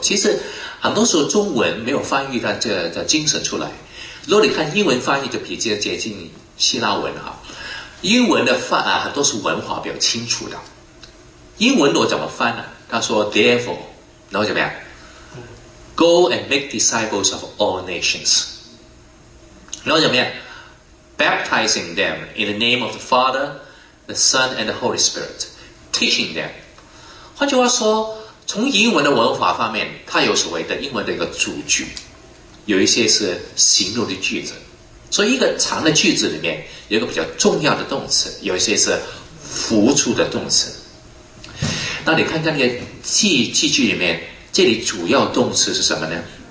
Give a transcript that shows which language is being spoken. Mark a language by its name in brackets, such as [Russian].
[Chinese] 其实很多时候中文没有翻译到这个精神出来。如果你看英文翻译，就比较接近希腊文哈。英文的翻啊，很多是文化比较清楚的。英文我怎么翻呢、啊？他说 ，therefore， 然后怎么样？ [English] Go and make disciples of all nations. [Chinese] 然后怎么样 [English] ？Baptizing them in the name of the Father, the Son, and the Holy Spirit, teaching them. [Chinese] 换句话说，从英文的文法方面，它有所谓的英文的一个主句，有一些是形容的句子。所以一个长的句子里面有一个比较重要的动词，有一些是辅助的动词。那你看看那个记句里面。这里主要动词是什么呢？